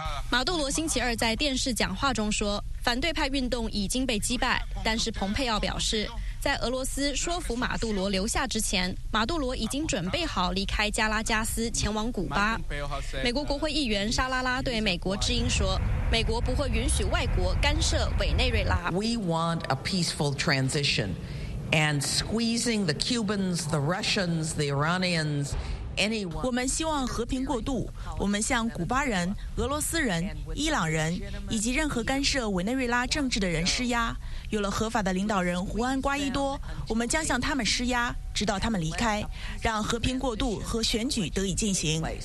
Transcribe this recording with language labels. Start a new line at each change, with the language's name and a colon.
Chinese: 马杜罗星期二在电视讲话中说，反对派运动已经被击败，但是蓬佩奥表示，在俄罗斯说服马杜罗留下之前，马杜罗已经准备好离开加拉加斯前往古巴。美国国会议员沙拉拉对美国之音说，美国不会允许外国干涉委内瑞拉。
English: We want a peaceful transition. And squeezing the Cubans, the Russians, the Iranians, anyone.
Chinese: 我们希望和平过渡。我们向古巴人、俄罗斯人、伊朗人以及任何干涉委内瑞拉政治的人施压。有了合法的领导人胡安·瓜伊多，我们将向他们施压，直到他们离开，让和平过渡和选举得以进行。